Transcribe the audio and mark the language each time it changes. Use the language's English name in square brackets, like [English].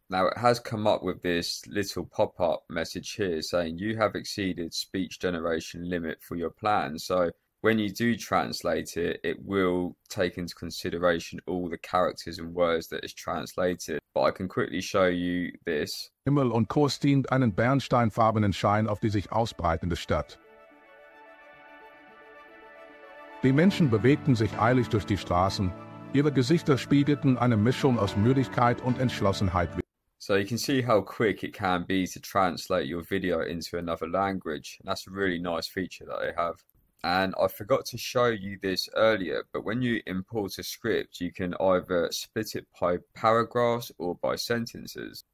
[English] Now it has come up with this little pop-up message here saying you have exceeded speech generation limit for your plan. So when you do translate it, it will take into consideration all the characters and words that is translated. But I can quickly show you this. [German] Himmel und Chor stehend einen bernsteinfarbenen Schein auf die sich ausbreitende Stadt. Die Menschen bewegten sich eilig durch die Straßen. Ihre Gesichter spiegelten eine Mischung aus Müdigkeit und Entschlossenheit wider. [English] So you can see how quick it can be to translate your video into another language. And that's a really nice feature that they have. And I forgot to show you this earlier, but when you import a script, you can either split it by paragraphs or by sentences.